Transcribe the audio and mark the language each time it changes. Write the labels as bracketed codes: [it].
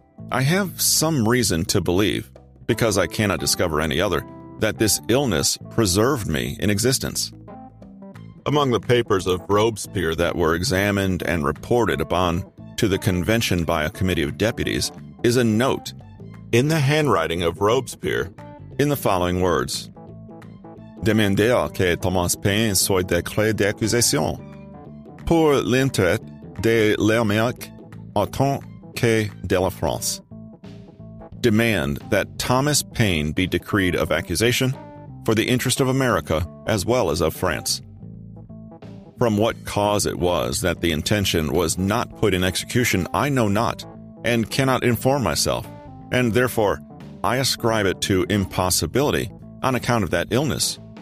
[en] I have some reason to believe, because I cannot discover any other, that this illness preserved me in existence. Among the papers of Robespierre that were examined and reported upon to the convention by a committee of deputies is a note in the handwriting of Robespierre in the following words. [fr] Demandez que Thomas Paine soit décret d'accusation pour l'intérêt de l'Amérique autant que de la France. [en] Demand that Thomas Paine be decreed of accusation for the interest of America as well as of France. From what cause it was that the intention was not put in execution, I know not, and cannot inform myself, and therefore I ascribe it to impossibility on account of that illness.